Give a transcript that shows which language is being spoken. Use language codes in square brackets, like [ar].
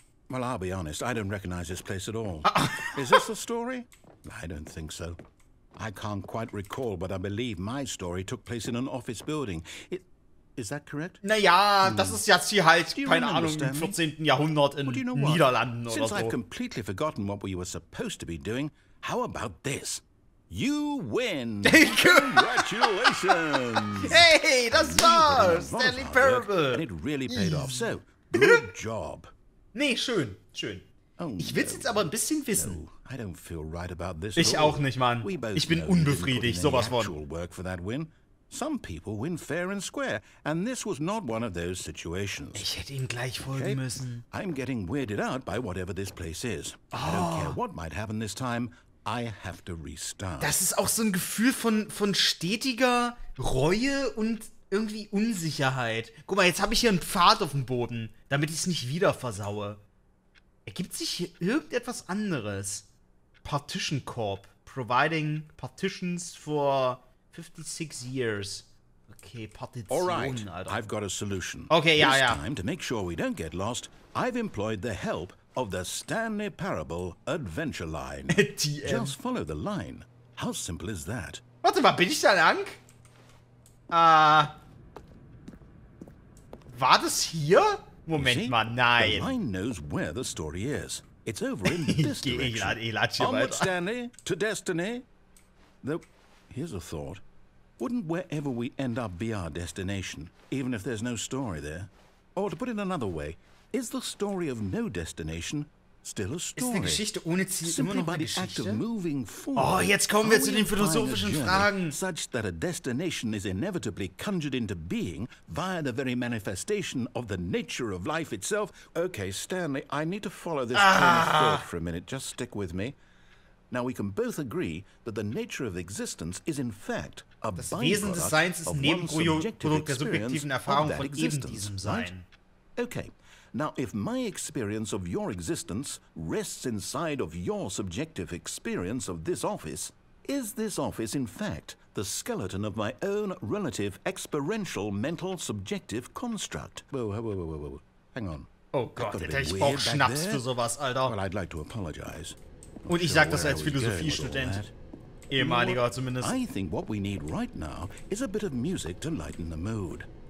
[en] Well, I'll be honest, I don't recognize this place at all. Is this the story? I don't think so. I can't quite recall, but I believe my story took place in an office building. Is that correct? [de] Naja, das ist jetzt hier halt, keine Ahnung, im 14. Jahrhundert in Niederlanden oder so. [en] Since I've completely forgotten what we were supposed to be doing, how about this? You win! Congratulations! [de] Hey, das war's! Stanley Parable! [en] And it really paid off, so good job. [de] Nee, schön, schön. Oh, ich will es jetzt aber ein bisschen wissen. [en] No, I don't feel right about this. [de] Ich auch nicht, Mann. Ich bin unbefriedigt, sowas von. [en] Some people win fair and square, and this was not one of those situations. [de] Ich hätte ihm gleich folgen müssen. [en] I'm getting weirded out by whatever this place is. Oh. I don't care what might happen this time, I have to restart. [de] Das ist auch so ein Gefühl von stetiger Reue und irgendwie Unsicherheit. Guck mal, jetzt habe ich hier einen Pfad auf dem Boden, damit ich es nicht wieder versaue. Ergibt sich hier irgendetwas anderes? [en] Partition Corp. Providing partitions for 56 years. [de] Okay, Partitionen, [en] all right, [de] Alter. [en] I've got a solution. Okay, this [de] ja, ja. [en] Time, to make sure we don't get lost, I've employed the help of the Stanley Parable Adventure Line. Just follow the line. How simple is that? [de] Warte mal, bin ich da lang? War das hier? Moment mal, nein. [en] The line knows where the story is. It's over in this direction. Onward, Stanley, to destiny. Though, here's a thought. Wouldn't wherever we end up be our destination, even if there's no story there? Or to put it another way, is the story of no destination still a story? [de] Ist die Geschichte ohne Ziel immer noch eine Geschichte? [en] Simply by the act of moving forward. [de] Oh, jetzt kommen wir zu den philosophischen Fragen. [en] Such that a destination is inevitably conjured into being via the very manifestation of the nature of life itself. Okay, Stanley, I need to follow this train of thought for a minute. Just stick with me. Now we can both agree that the nature of existence is in fact a byproduct of one subjective [de] Erfahrung von eben diesem Sein. [en] Right? Okay. Now, if my experience of your existence rests inside of your subjective experience of this office, is this office, in fact, the skeleton of my own relative experiential mental subjective construct? Whoa. Hang on. [de] Oh Gott, hätte ich auch Schnaps für sowas, Alter. [en] Well, I'd like to apologize. [de] Und ich sag das als Philosophiestudent. Ehemaliger zumindest. [en] I think what we need right now is a bit of music to lighten the mood.